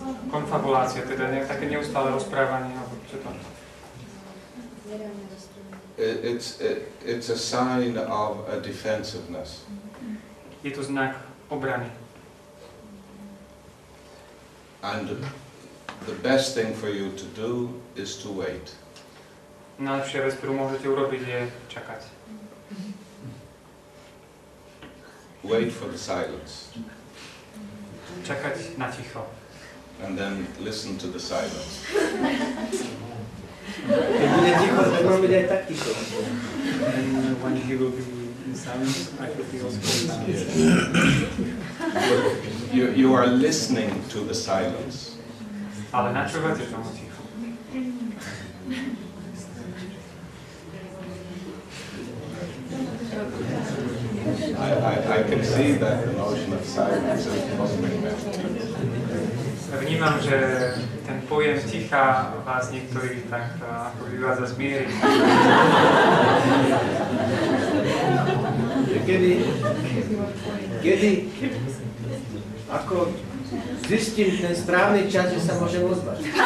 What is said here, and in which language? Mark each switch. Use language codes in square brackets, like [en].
[sk] Konfabulácia, teda nejak také neustále rozprávanie, alebo čo to? [en] It's a sign of a defensiveness. [sk] Je to znak obrany. [en] And the best thing for you to do is to wait. [sk] Najlepšia vec, ktorú môžete urobiť, je čakať. [en] Wait for the silence. [sk] Čakať na ticho. [en] And then listen to the silence. [sk] Keď bude ticho, tak mám byť aj tak ticho. [en] And when he will be in silence, I will be also in silence. You are listening to the silence. [sk] Ale načúvate tomu ticho. [en] I can see that the notion of silence is possibly. [sk] Vnímam, že ten pojem ticha vás niektorých tak ako vyvádza z miery. Kedy ako zistím ten správny čas, že sa môžem ozvať?